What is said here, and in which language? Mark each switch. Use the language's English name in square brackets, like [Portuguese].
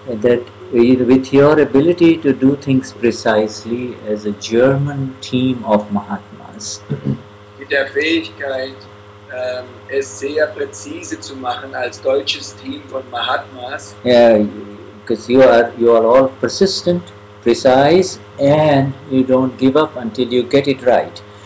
[English] That with your ability to do things precisely as a German team of Mahatmas. [German] Mit der Fähigkeit, es sehr präzise zu machen als deutsches Team von Mahatmas. [English] Yeah, because you are all persistent, precise, and you don't give up until you get it right.